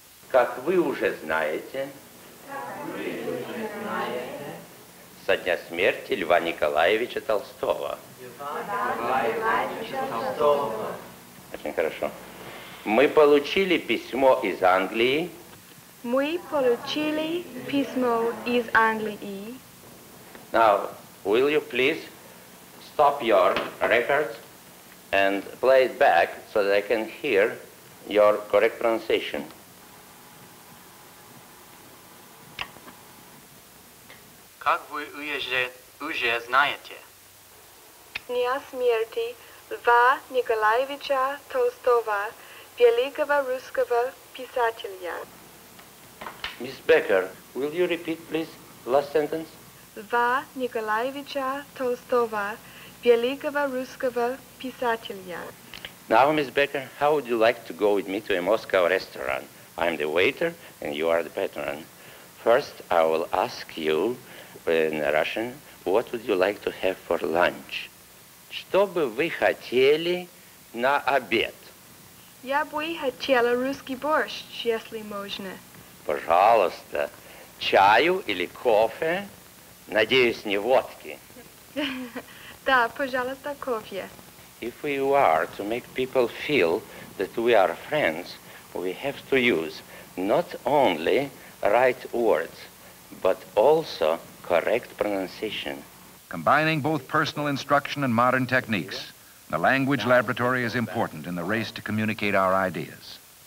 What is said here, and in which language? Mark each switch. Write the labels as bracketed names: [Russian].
[Russian] Как вы уже знаете, со дня смерти Льва Николаевича Толстого. Очень хорошо. Мы получили письмо из Англии. Мы получили письмо из Англии. [English] Now, will you please stop your records and play it back so that I can hear your correct pronunciation? [Russian] Как вы уже знаете, дня смерти Льва Николаевича Толстого, великого русского писателя. [English] Miss Becker, will you repeat, please, last sentence? [Russian] Льва Николаевича Толстого, великого русского писателя. [English] Now, Miss Becker, how would you like to go with me to a Moscow restaurant? I'm the waiter and you are the patron. First, I will ask you in Russian, what would you like to have for lunch? [Russian] Что бы вы хотели на обед? Я бы хотела русский борщ, если можно. Пожалуйста, чаю или кофе? Надеюсь, не водки. Да, пожалуйста, кофе. [English] If we are to make people feel that we are friends, we have to use not only right words, but also correct pronunciation. Combining both personal instruction and modern techniques, the language laboratory is important in the race to communicate our ideas.